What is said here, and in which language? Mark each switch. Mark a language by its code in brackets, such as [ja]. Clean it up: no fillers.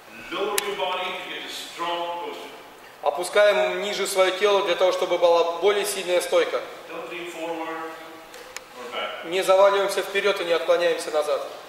[en] Lower your body to get a strong position. [ru] Опускаем ниже свое тело для того, чтобы была более сильная стойка. [en] Don't lean forward or back. [ru] Не заваливаемся вперед и не отклоняемся назад.